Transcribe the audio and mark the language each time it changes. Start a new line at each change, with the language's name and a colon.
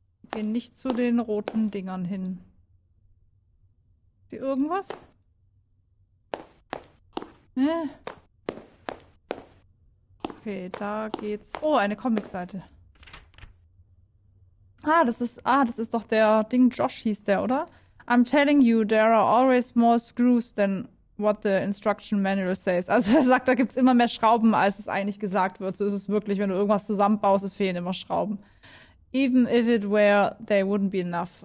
German: Geh nicht zu den roten Dingern hin. Ist hier irgendwas? Ne? Okay, da geht's. Oh, eine Comicseite. Ah, das ist doch der Ding, Josh hieß der, oder?
English: I'm telling you, there are always more screws than what the instruction manual says.
German: Also er sagt, da gibt's immer mehr Schrauben, als es eigentlich gesagt wird. So ist es wirklich, wenn du irgendwas zusammenbaust, es fehlen immer Schrauben.
English: Even if it were, they wouldn't be enough.